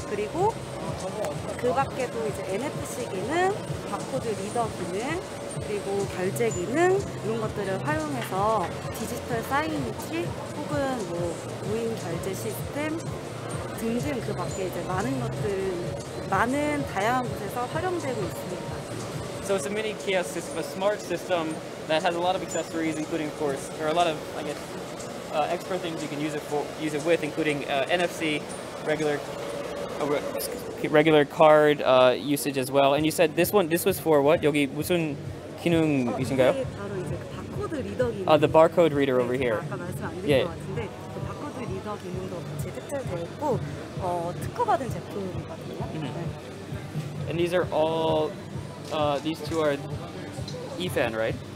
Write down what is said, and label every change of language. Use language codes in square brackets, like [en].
[ko] 그리고 그 밖에도 이제 NFC 기능, 바코드 리더 기능, 그리고 결제 기능 이런 것들을 활용해서 디지털 사인이지 혹은 뭐 무인 결제 시스템 등등 그 밖에 이제 많은 것들 많은 다양한 곳에서 활용되고 있습니다. [en] So it's a mini kiosk, it's a smart system that has a lot of accessories, including, of course, or a lot of, I guess, extra things you can use it for, use it with, including NFC, regular card usage as well. And you said this one, this was for what? [ko] 여기 무슨 기능이신가요? 바로 이제 바코드 리더 기능. [en] The barcode reader over here. [ko] 아까 말씀 안 드린 것 같은데, 그 바코드 리더 기능도 같이 탑재되고 특허받은 제품이거든요. [en] And these are all, these two are eFan, right?